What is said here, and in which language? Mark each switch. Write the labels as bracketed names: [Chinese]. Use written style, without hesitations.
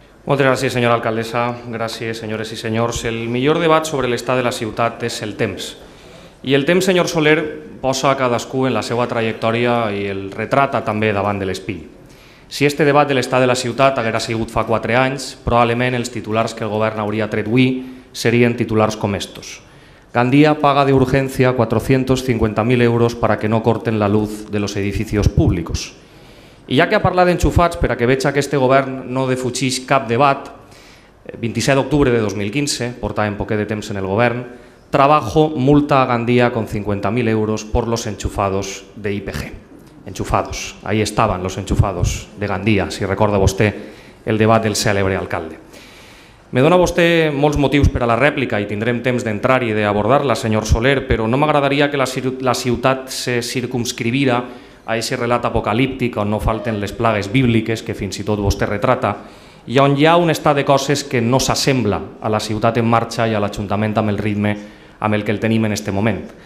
[Catalan] Moltes gràcies, senyora alcaldessa. Gràcies, senyores i senyors. El millor debat sobre l'estat de la ciutat és el temps. I el temps, senyor Soler, posa cadascú en la seva trajectòria i el retrata també davant de l'espill. Si este debat de l'estat de la ciutat haguera sigut fa 4 anys, probablement els titulars que el govern hauria tret avui serien titulars com estos. [Spanish] Gandia paga de urgència 450.000 euros para que no corten la luz de los edificios públicos. [Catalan] I ja que ha parlat d'enxufats, per a que veig que aquest govern no defugís cap debat, 27 d'octubre de 2015, portàvem poc de temps en el govern, [Spanish] Trabajo multa a Gandia con 50.000 euros por los enchufados de IPG. Enchufados, ahí estaban los enchufados de Gandia, [Catalan] si recorda vostè el debat del cèlebre alcalde. Me dona vostè molts motius per a la rèplica i tindrem temps d'entrar i d'abordar-la, senyor Soler, però no m'agradaria que la ciutat se circumscrivira a ese relat apocalíptic on no falten les plagues bíbliques que fins i tot vostè retrata i on hi ha un estat de coses que no s'assembla a la ciutat en marxa i a l'Ajuntament amb el ritme amb el que el tenim en este moment.